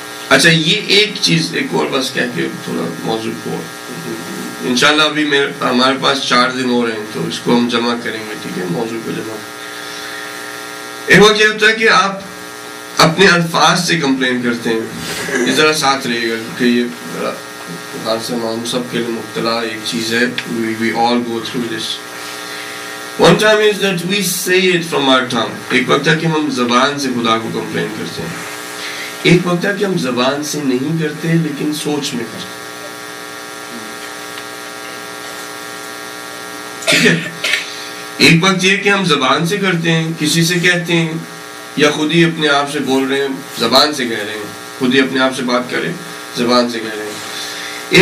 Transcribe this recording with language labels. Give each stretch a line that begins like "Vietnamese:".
Hindi: अच्छा, ये एक चीज, एक और बस कह के थोड़ा मौजूद को, इंशाल्लाह अभी हमारे पास चार दिन हो रहे हैं तो इसको हम जमा करेंगे, ठीक है, मौजू को जमा। एक वक्त ये होता है कि आप अपने अल्फाज से कंप्लेन करते हैं, ये जरा साथ रहेगा क्योंकि ये हर से हम सब के लिए मुब्तला एक चीज है,
English: We all go through this. One time is that we say it from our tongue.
Hindi: एक वक्त है कि हम जबान से खुदा को कंप्लेन करते हैं, एक वक्त है कि हम जबान से नहीं करते लेकिन सोच में करते हैं। एक वक्त ये कि हम जबान से करते हैं, किसी से कहते हैं या खुद ही अपने आप से बोल रहे हैं, जबान से कह रहे हैं, खुद ही अपने आप से बात करें जबान से कह रहे हैं।